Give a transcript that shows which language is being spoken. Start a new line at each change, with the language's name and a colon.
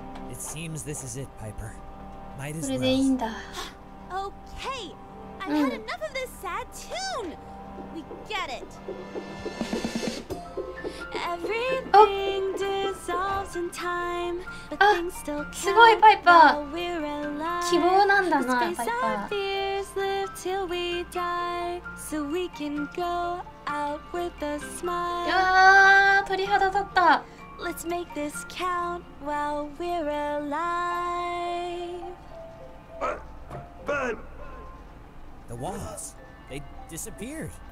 English: It seems this is it, Piper. Might as well. Okay, I've had enough of this sad tune. We get it. Everything dissolves in time, but things still count.
Japanese: すごい、パイパー。希望なんだな、パイパー。
English: Till we die, so we can go out with a smile. Yeah,
Japanese: 鳥肌立った。
English: Let's make this count while we're alive. But the walls, they disappeared.